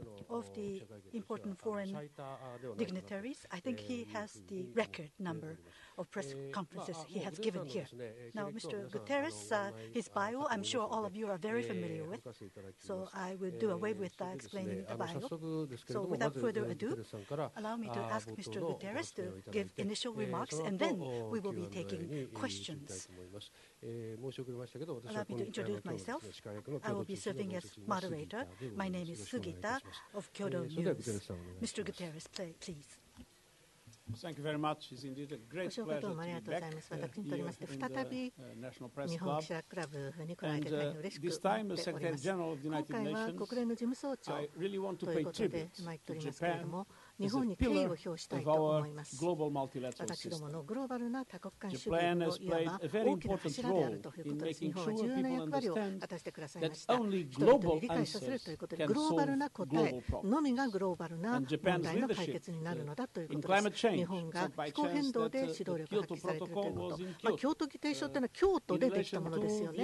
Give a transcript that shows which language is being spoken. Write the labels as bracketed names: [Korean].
[English] Of the important foreign dignitaries, I think he has the record number of press conferences he has given here. Now, Mr. Guterres, his bio, I'm sure all of you are very familiar with, so I will do away with explaining the bio. So without further ado, allow me to ask Mr. Guterres to give initial remarks, and then we will be taking questions. [Japanese] 申し遅れましたけど、私は今日の司会役の共同通信部の杉田でございます。よろしくお願いいたします。それではグテレスさんお願いします。Mr. [English] Guterres, please. Thank you very much. It's indeed a great pleasure to be back here in the National Press Club. And this time, as Secretary General of the United Nations, I really want to pay tribute to Japan as a pillar of our global multilateral system. Japan has played a very important role in making sure people understand that only global answers can solve global problems. And Japan's leadership in climate change [Japanese] 日本が気候変動で指導力を発揮されているということ、まあ、京都議定書というのは京都でできたものですよね。